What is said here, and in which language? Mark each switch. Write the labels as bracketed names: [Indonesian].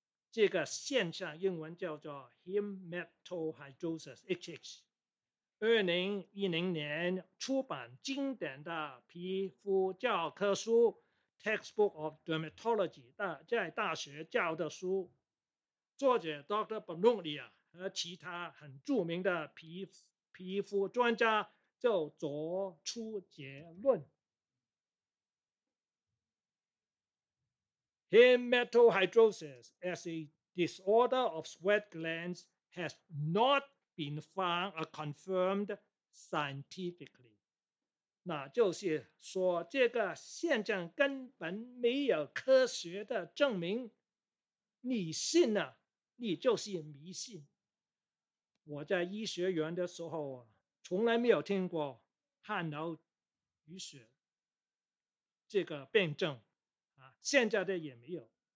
[Chinese] 这个现象英文叫做 hematohidrosis HH， 2010年出版经典的皮肤教科书 Textbook of Dermatology， 在大学教的书，作者 Dr. Bonogli 和其他很著名的皮肤专家就做出结论。 [English] Hematohidrosis as a disorder of sweat glands has not been found or confirmed scientifically. [Chinese] 那就是说这个现象根本没有科学的证明，你信啊，你就是迷信。我在医学院的时候啊，从来没有听过汗流雨血这个病症，现在的也没有。